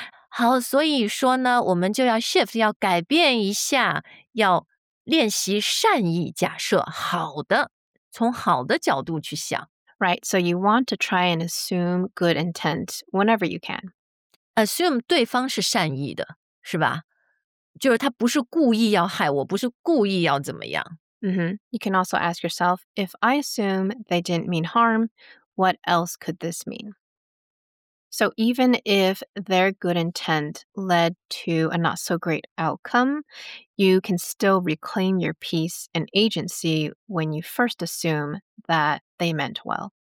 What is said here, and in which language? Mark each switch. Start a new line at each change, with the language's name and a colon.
Chinese: 好，所以说呢，我们就要 shift, 要改变一下，要练习善意假设，好的，从好的角度去想。
English: Right, so you want to try and assume good intent whenever you can.
Chinese: Assume 对方是善意的，是吧？就是他不是故意要害我，不是故意要怎么样。 Mm-hmm.
English: You can also ask yourself, if I assume they didn't mean harm, what else could this mean? So even if their good intent led to a not so great outcome, you can still reclaim your peace and agency when you first assume that they meant well.